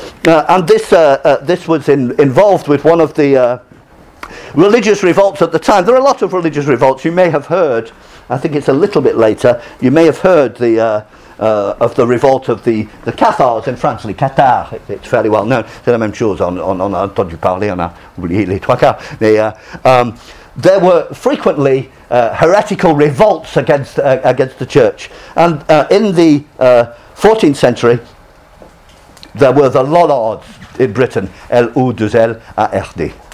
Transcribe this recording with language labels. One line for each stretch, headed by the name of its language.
English: And this this was involved with one of the religious revolts at the time. There are a lot of religious revolts. You may have heard, I think it's a little bit later, you may have heard of the revolt of the Cathars in France, les Cathars, it's fairly well known.
French: C'est la même chose, on a entendu parler, on a oublié les trois quarts.
English: There were frequently heretical revolts against the church. And in the 14th century, there were the Lollards in Britain, L-O-2-L-A-R-D.